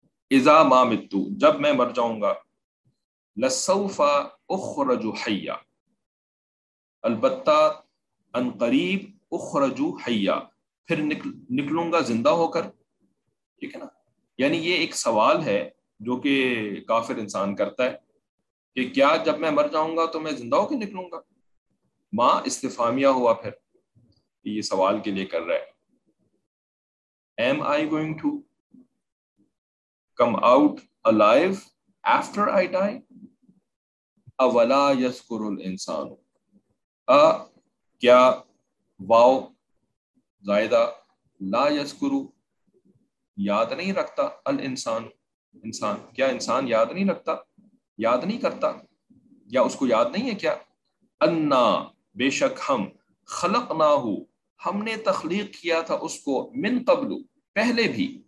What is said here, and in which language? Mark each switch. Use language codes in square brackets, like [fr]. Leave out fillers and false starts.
[ar] اذا ما مِتُّ [ur] جب میں مر جاؤں گا, [ar] لَسَوْفَ اُخْرَجُ حَيَّا [ur] البتہ ان قریب [ar] اُخْرَجُ حَيَّا [ur] پھر نکلوں گا زندہ ہو کر, ٹھیک ہے نا؟ یعنی یہ ایک سوال ہے جو کہ کافر انسان کرتا ہے کہ کیا جب میں مر جاؤں گا تو میں زندہ ہو کے نکلوں گا. ما استفامیہ ہوا پھر, یہ سوال کے لیے کر رہا ہے. [en] Am I going to come out alive after I die? [ar] اولا یذکر الانسان, [ur] کیا واو زائدہ لا یذکر یاد نہیں رکھتا, الانسان انسان, کیا انسان یاد نہیں رکھتا, یاد نہیں کرتا, یا اس کو یاد نہیں ہے کیا؟ انا بے شک ہم, خلقناہو ہم نے تخلیق کیا تھا اس کو, من قبل پہلے بھی,